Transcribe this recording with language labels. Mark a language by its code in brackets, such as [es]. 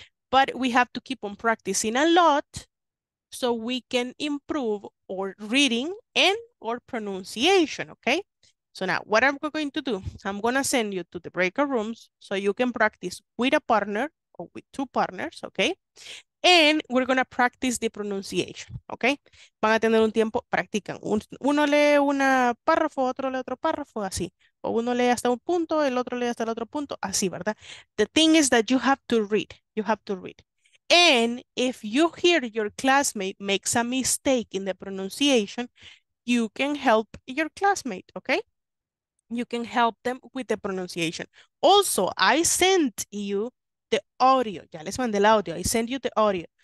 [en] But we have to keep on practicing a lot so we can improve our reading and our pronunciation, okay? So now, what I'm going to do, I'm going to send you to the breakout rooms so you can practice with a partner or with 2 partners, okay? And we're going to practice the pronunciation, okay? [es] Van a tener un tiempo, practican. Uno lee un párrafo, otro lee otro párrafo, así. O uno lee hasta un punto, el otro lee hasta el otro punto, así, ¿verdad? [en] The thing is that you have to read. You have to read. And if you hear your classmate makes a mistake in the pronunciation, you can help your classmate, okay? You can help them with the pronunciation. Also, I sent you the audio. [es] Ya les mandé el audio. [en] I sent you the audio.